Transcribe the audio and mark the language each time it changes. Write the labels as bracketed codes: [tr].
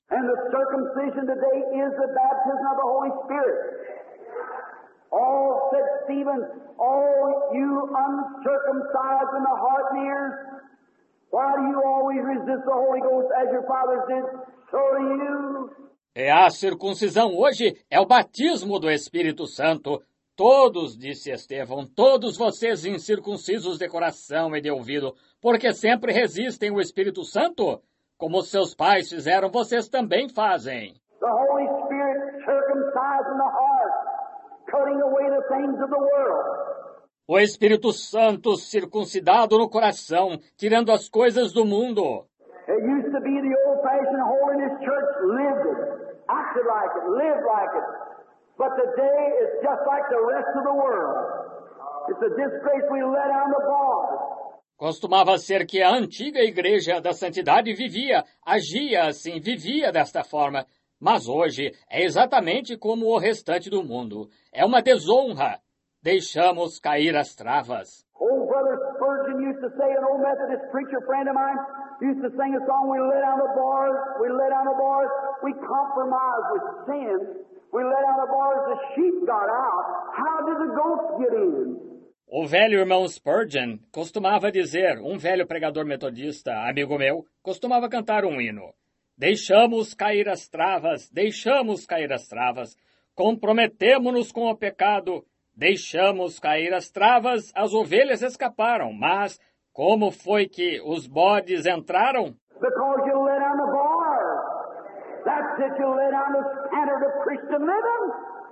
[en] And the circumcision today is the baptism of the Holy Spirit. All, said Stephen, all you uncircumcised in the heart and ears, why do you always resist the Holy Ghost as your fathers did? So do you. [pt] E a circuncisão hoje é o batismo do Espírito Santo. Todos, disse Estevão, todos vocês incircuncisos de coração e de ouvido, porque sempre resistem o Espírito Santo, como seus pais fizeram, vocês também fazem. [en] The Holy Spirit circumcised in the heart, cutting away the things of the world. [pt] O Espírito Santo circuncidado no coração, tirando as coisas do mundo. [en] It used to be the old-fashioned holiness church lived it, acted like it, lived like it. But today is just like the rest of the world. It's a disgrace we let down the bars. [pt] Costumava ser que a antiga igreja da santidade vivia, agia assim, vivia desta forma. Mas hoje é exatamente como o restante do mundo. É uma desonra. Deixamos cair as travas. [en] Old Brother Spurgeon used to say, an old Methodist preacher friend of mine used to sing a song, we let down the bars, we let down the bars, we compromise with sin. We let out the bars, the sheep got out. How did the goats get in? [pt] O velho irmão Spurgeon costumava dizer, um velho pregador metodista, amigo meu, costumava cantar um hino. Deixamos cair as travas, deixamos cair as travas. Comprometemo-nos com o pecado, deixamos cair as travas. As ovelhas escaparam, mas como foi que os bodes entraram? [en] Because you let out the bars. That's it, you let out the standard of Christian living.